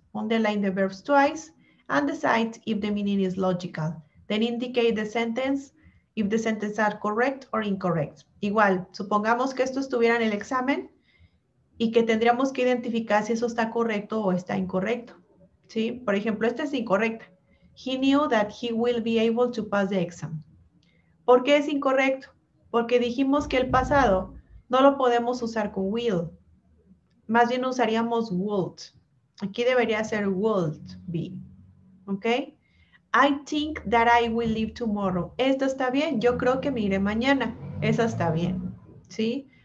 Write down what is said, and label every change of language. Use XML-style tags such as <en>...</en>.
<en>Underline the verbs twice and decide if the meaning is logical. Then indicate the sentence, if the sentences are correct or incorrect.</en> <es>Igual, supongamos que esto estuviera en el examen y que tendríamos que identificar si eso está correcto o está incorrecto. ¿Sí? Por ejemplo, esta es incorrecta.</es> <en>He knew that he will be able to pass the exam.</en> <es>¿Por qué es incorrecto? Porque dijimos que el pasado no lo podemos usar con will. Más bien usaríamos would. Aquí debería ser would be. ¿Ok?</es> <en>I think that I will leave tomorrow.</en> <es>Esta está bien. Yo creo que me iré mañana. Esa está bien. ¿Sí?</es>